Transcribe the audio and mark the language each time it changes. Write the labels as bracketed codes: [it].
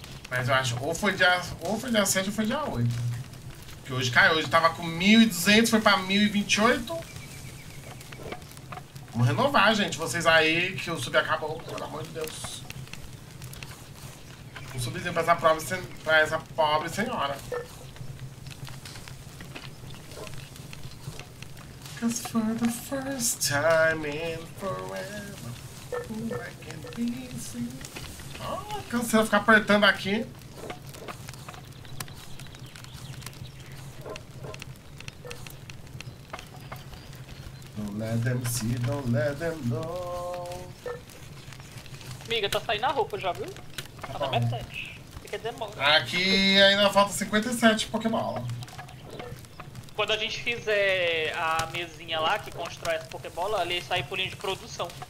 [pt] Mas eu acho, ou foi dia 7 ou foi dia 8. Porque hoje caiu, hoje tava com 1.200, foi pra 1.028. Vamos renovar, gente. Vocês aí que o sub acabou, pelo amor de Deus. Um subzinho pra essa pobre senhora. [en] Cause for the first time in forever, I can be seen. [pt] Ah, cansei de ficar apertando aqui. [en] Don't let them see, don't let them know. [pt] Miga, tá saindo a roupa já, viu? Tá na metade. Porque demora. Aqui ainda falta 57 Pokébola. Quando a gente fizer a mesinha lá, que constrói essa pokebola, ali sai por linha de produção.